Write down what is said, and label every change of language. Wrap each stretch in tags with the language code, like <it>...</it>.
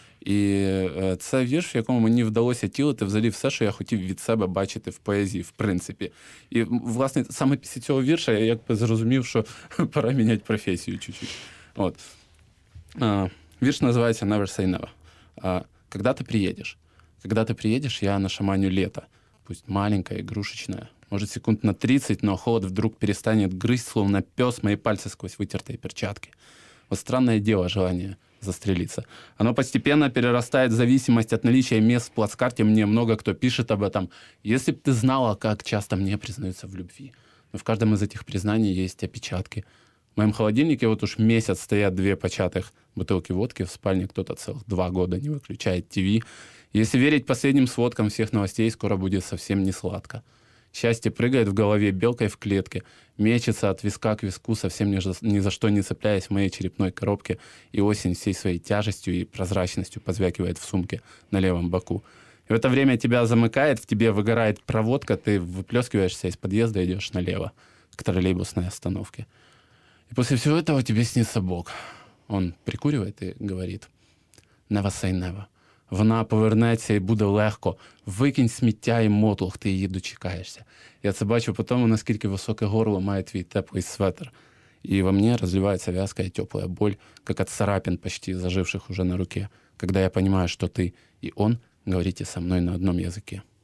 <uk>І це вірш, в якому мені вдалося тілити взагалі все, що я хотів від себе бачити в поезії, в принципі. І, власне, саме після цього вірша я якби зрозумів, що пора міняти професію чуть-чуть. От. Вірш називається «Never say never».</uk> <ru>«Когда ты приедешь?» «Когда ты приедешь, я нашаманю лето, пусть маленькое, игрушечное, может, секунд на 30, но холод вдруг перестанет грызть, словно пес, мои пальцы сквозь вытертые перчатки. Вот странное дело желание застрелиться. Оно постепенно перерастает в зависимость от наличия мест в плацкарте. Мне много кто пишет об этом. Если б ты знала, как часто мне признаются в любви. Но в каждом из этих признаний есть опечатки. В моем холодильнике вот уж месяц стоят 2 початых бутылки водки. В спальне кто-то 2 года не выключает ТВ. Если верить последним сводкам всех новостей, скоро будет совсем не сладко. Счастье прыгает в голове белкой в клетке, мечется от виска к виску, совсем ни за что не цепляясь в моей черепной коробке, и осень всей своей тяжестью и прозрачностью позвякивает в сумке на левом боку. И в это время тебя замыкает, в тебе выгорает проводка, ты выплескиваешься из подъезда и идешь налево к троллейбусной остановке. И после всего этого тебе снится Бог. Он прикуривает и говорит:</ru> <en>«Never say never».</en> <uk>Вона повернеться і буде легко. Викинь сміття і мотлух, ти її дочекаєшся. Я це бачу по тому, наскільки високе горло має твій теплий светр.</uk> <ru>И во мне разливается вязкая теплая боль, как от царапин, почти заживших уже на руке, когда я понимаю, что ты и он говорите со мной на одном языке.</ru>